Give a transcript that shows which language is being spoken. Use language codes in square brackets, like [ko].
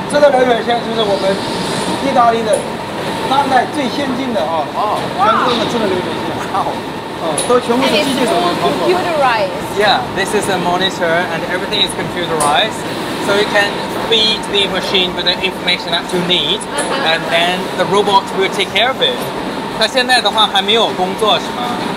[en] This [zh] 流水线就是我们意大利的当代最先进的全部用的智能流水线。 [en] Oh. And it's all computerized. Yeah, this is a monitor and everything is computerized. So you can feed the machine with the information that you need. Uh-huh. And then the robot will take care of it. [zh] 它现在的话还没有工作是吗？